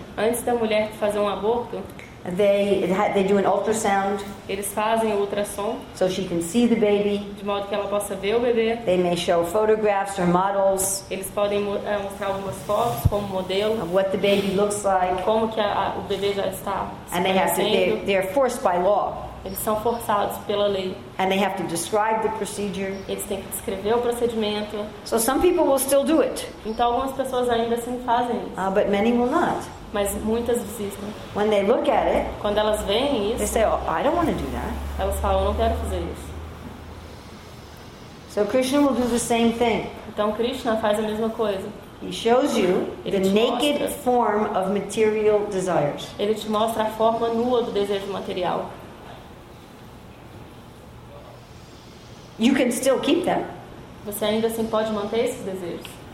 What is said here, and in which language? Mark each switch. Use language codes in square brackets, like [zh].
[pt] antes da mulher fazer um aborto, [en] They do an ultrasound. [pt] Eles fazem o ultrassom. [en] So she can see the baby. [pt] De modo que ela possa ver o bebê. [en] They may show photographs or models. [pt] Eles podem mostrar algumas fotos como modelo. [en] Of what the baby looks like. [pt] Como que o bebê já está. [en] And they have to. They are forced by law. [pt] Eles são forçados pela lei. [en] And they have to describe the procedure. [pt] Eles têm que descrever o procedimento. [en] So some people will still do it. [pt] Então algumas pessoas ainda assim fazem isso. [en] But many will not. [pt] Mas muitas desistem. [en] When they look at it, [pt] quando elas veem isso, [en] they say, oh, I don't want to do that. [pt] Elas falam, eu não quero fazer isso. [en] So Krishna will do the same thing. [pt] Então Krishna faz a mesma coisa. [en] He shows you [pt] ele [en] the naked [pt] mostra. [en] Form of material desires. [pt] Ele te mostra a forma nua do desejo material. [en] You can still keep them. [pt] Você ainda assim pode manter esses desejos.